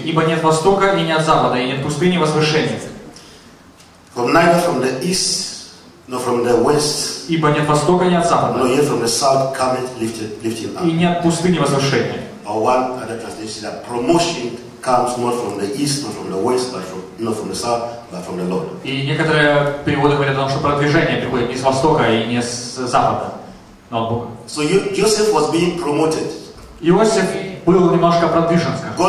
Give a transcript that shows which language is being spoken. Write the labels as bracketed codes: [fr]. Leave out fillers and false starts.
[ru] Ибо нет востока и нет запада, и нет пустыни и возвышения. Ибо нет востока и нет запада. Но [en] yet from the south cometh lifting up. [ru] И нет пустыни и возвышения. [en] Or one other translation that promotion comes not from the east, not from the west, but from not from the south, but from the Lord. [ru] И некоторые переводы говорят о том, что продвижение приходит не с востока и не с запада, но от Бога. [en] So Joseph was being promoted. [ru] Иосиф был немножко продвижен, скажем.